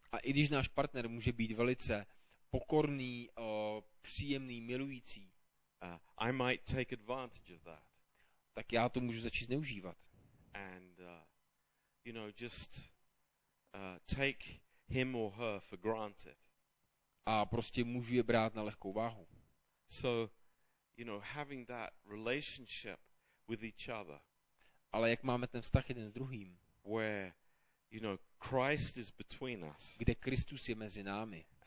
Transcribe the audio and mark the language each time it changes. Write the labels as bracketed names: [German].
[Czech] A i když náš partner může být velice pokorný, příjemný, milující, [English] I might take advantage of that. [Czech] Tak já to můžu začít zneužívat. [English] And you know, just take him or her for granted. [Czech] A prostě můžu je brát na lehkou váhu. [English] So, you know, having that relationship with each other. [Czech] Ale jak máme ten vztah jeden s druhým? [English] Where, you know, Christ is between us. [Czech] Kde Kristus je mezi námi.